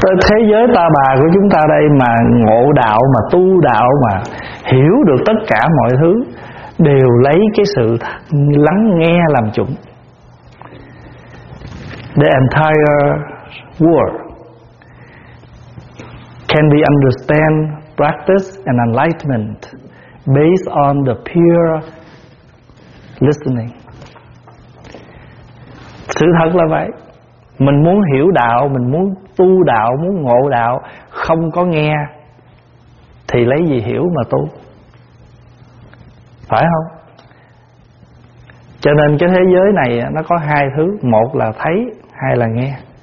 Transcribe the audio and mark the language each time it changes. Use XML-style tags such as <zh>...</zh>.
<vi>Thế giới ta bà của chúng ta đây mà ngộ đạo, mà tu đạo, mà hiểu được tất cả mọi thứ đều lấy cái sự lắng nghe làm chuẩn.</vi> <en>The entire world can be understood, practiced and enlightenment based on the pure listening.</en> <vi>Sự thật là vậy. Mình muốn hiểu đạo, mình muốn tu đạo, muốn ngộ đạo, không có nghe thì lấy gì hiểu mà tu, phải không? Cho nên cái thế giới này nó có hai thứ, một là thấy, hai là nghe.</vi>